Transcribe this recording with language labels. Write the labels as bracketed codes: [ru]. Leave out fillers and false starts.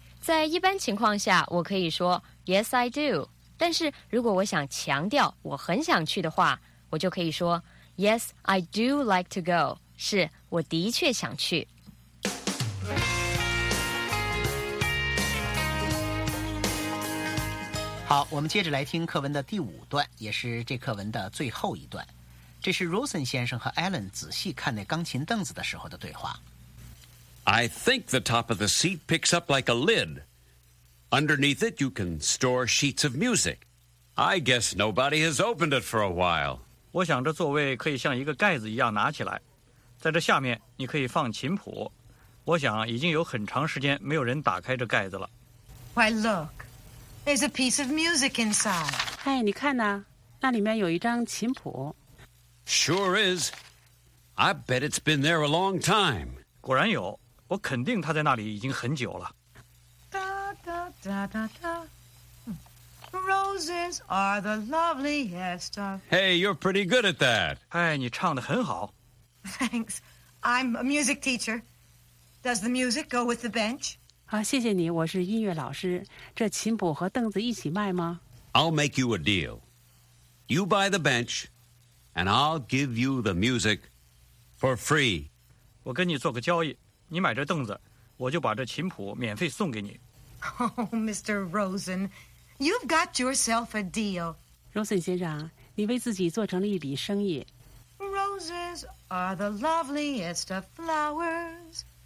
[zh] 在一般情况下我可以说 [en] Yes, I do， [zh] 但是如果我想强调我很想去的话，我就可以说 [en] Yes, I do like to go， [zh] 是我的确想去。好，我们接着来听课文的第五段，也是这课文的最后一段。这是 Rosen 先生和 Alan 仔细看那钢琴凳子的时候的对话。 [en] I think the top of the seat picks up like a lid. Underneath it, you can store sheets of music. I guess nobody has opened it for a while. [zh] 我想这座位可以像一个盖子一样拿起来。在这下面，你可以放琴谱。我想已经有很长时间没有人打开这盖子了。 [en] Why, look. There's a piece of music inside. [zh] 哎，你看呢？那里面有一张琴谱。 [en] Sure is. I bet it's been there a long time. [zh] 果然有，我肯定他在那里已经很久了。 [en] 哒哒哒哒哒 ，Roses are the loveliest of. Hey, you're pretty good at that. [zh] 哎，你唱得很好。 [en] Thanks, I'm a music teacher. Does the music go with the bench? [zh] 好，谢谢你，我是音乐老师。这琴谱和凳子一起卖吗 [en] ？I'll make you a deal. You buy the bench, and I'll give you the music for free. [zh] 我跟你做个交易，你买这凳子，我就把这琴谱免费送给你。 [en] Oh, Mr. Rosen, you've got yourself a deal. [zh] Rosen 先生，你为自己做成了一笔生意。 [en] Roses are the loveliest of flowers.